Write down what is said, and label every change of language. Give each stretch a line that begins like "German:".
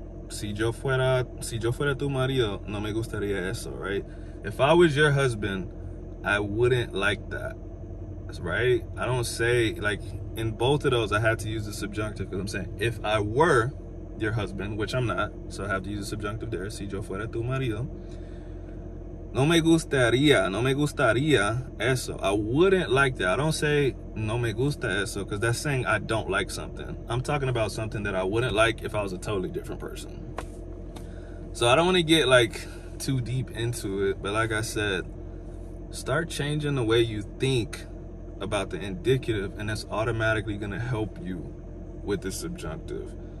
Spanish: Si yo fuera tu marido, no me gustaría eso, right?
English: If I was your husband, I wouldn't like that, right? I don't say, like, in both of those, I have to use the subjunctive, because I'm saying, if I were your husband, which I'm not, so I have to use the subjunctive there.
Spanish: Si yo fuera tu marido, no me gustaría eso.
English: I wouldn't like that. I don't say
Spanish: no me gusta eso,
English: because that's saying I don't like something. I'm talking about something that I wouldn't like if I was a totally different person. So I don't want to get, like, too deep into it, but like I said, start changing the way you think about the indicative, and that's automatically going to help you with the subjunctive.